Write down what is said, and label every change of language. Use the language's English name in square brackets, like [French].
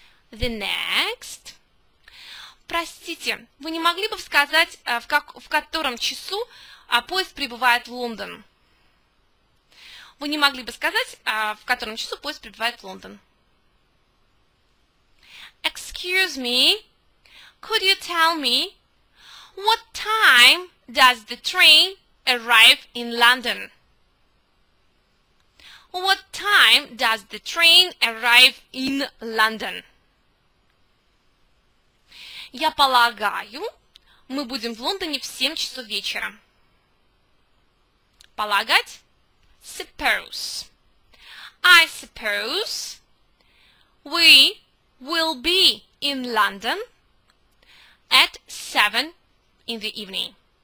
[English] The next. [Russian] Простите, вы не могли бы сказать, в котором часу поезд прибывает в Лондон? Вы не могли бы сказать, в котором часу поезд прибывает в Лондон? [English] Excuse me, could you tell me what time does the train arrive in London? What time does the train arrive in London? [Russian] Я полагаю, мы будем в Лондоне в 7 часов вечера. Полагать? [English] Suppose. I suppose we will be in London at 7 in the evening.